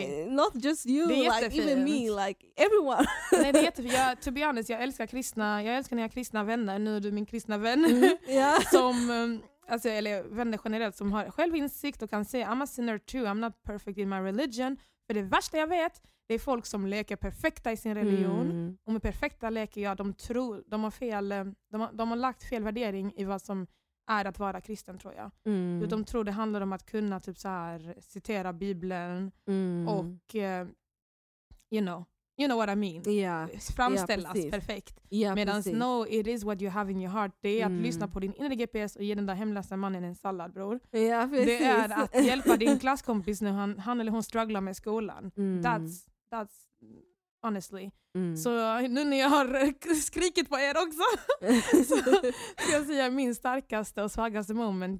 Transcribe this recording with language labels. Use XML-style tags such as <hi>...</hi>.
<en>Not just you, like, even me, like, everyone.</en> <sv>Nej, det är jättefint.</sv> <en>To be honest,</en> <sv>jag älskar kristna. Jag älskar när jag har kristna vänner. Nu är du min kristna vän.</sv> <en>Yeah.</en> <sv>Som, alltså, eller vänner generellt som har självinsikt och kan säga</sv> <en>I'm a sinner too, I'm not perfect in my religion.</en> <sv>För det värsta jag vet, det är folk som leker perfekta i sin religion. Mm. Och med perfekta leker jag, de tror, de har fel, de har lagt fel värdering i vad som är att vara kristen, tror jag. Mm. De tror det handlar om att kunna typ så här citera Bibeln och</sv> <en>you know what I mean. Yeah.</en> <sv>Framställas perfekt.</sv> <en>Yeah,</en> <sv>medan</sv> <en>no, it is what you have in your heart.</en> <sv>Det är att lyssna på din inre GPS och ge den där hemlösa mannen en sallad, bror.</sv> <en>Yeah,</en> <sv>det är att hjälpa din klasskompis när han eller hon strugglar med skolan. Mm.</sv> <en>That's honestly.</en> <sv>Så nu när jag har skrikit på er också så ska jag säga min starkaste och svagaste moment.</sv>